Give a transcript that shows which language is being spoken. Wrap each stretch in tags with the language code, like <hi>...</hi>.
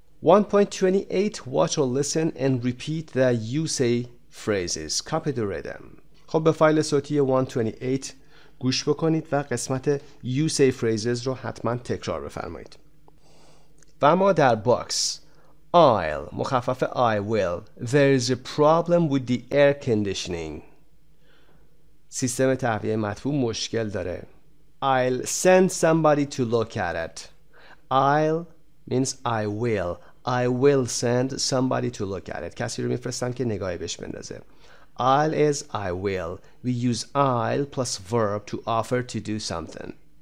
<en>1.28, watch or listen and repeat the you say phrases. Copy the rhythm.</en> <fa>خب به فایل صوتی 1.28 گوش بکنید و قسمت</fa> <en>you say phrases</en> <fa>رو حتما تکرار بفرمایید. و ما در باکس.</fa> <en>I'll,</en> <fa>مخفف</fa> <en>I will. There is a problem with the air conditioning.</en> <fa>سیستم تهویه مطبوع مشکل داره.</fa> <en>I'll send somebody to look at it. I'll means I will. I will send somebody to look at it.</en> <fa>کسی رو میفرستم که نگاهی بهش بندازه.</fa> <en>I'll is I will. We use I'll plus verb to offer to do something.</en>